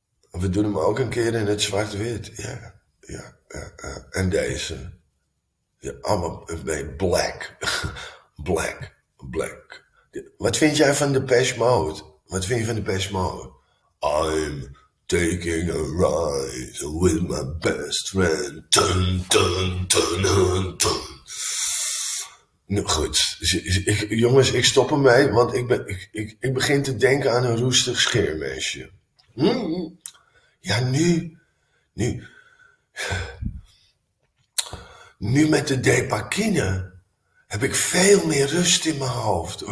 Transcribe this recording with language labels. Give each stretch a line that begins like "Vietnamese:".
Dutch: We doen hem ook een keer in het zwart-wit. Ja, ja, ja, ja. En deze. Ja, allemaal bij black. Black. Black. Wat vind jij van de Depeche Mode? Wat vind je van de Depeche Mode?
English: I'm taking a ride with my best friend. Dun, dun, dun, dun, dun.
Dutch: Nou goed, jongens, ik stop ermee, want ik begin te denken aan een roestig scheermesje. Ja, nu met de Depakine heb ik veel meer rust in mijn hoofd.